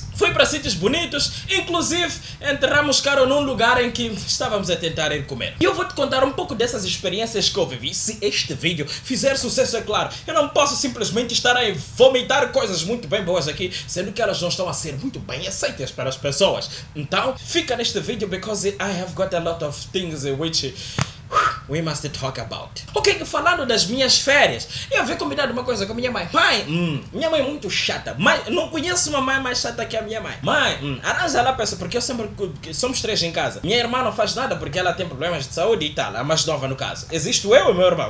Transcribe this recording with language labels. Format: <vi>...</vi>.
<pt>Fui para sítios bonitos, inclusive enterramos caro num lugar em que estávamos a tentar ir comer. E eu vou te contar um pouco dessas experiências que eu vivi. Se este vídeo fizer sucesso, é claro, eu não posso simplesmente estar a vomitar coisas muito bem boas aqui, sendo que elas não estão a ser muito bem aceitas para as pessoas. Então, fica neste vídeo,</pt> <en>because I have got a lot of things in which we must talk about.</en> <pt>Ok, falando das minhas férias, eu havia combinado uma coisa com minha mãe. Mãe, minha mãe é muito chata. Mãe, não conheço uma mãe mais chata que a minha mãe. Mãe, arranja lá, peça, porque eu sempre. Somos três em casa. Minha irmã não faz nada porque ela tem problemas de saúde e tal. A mais nova, no caso. Existo eu e meu irmão.</pt>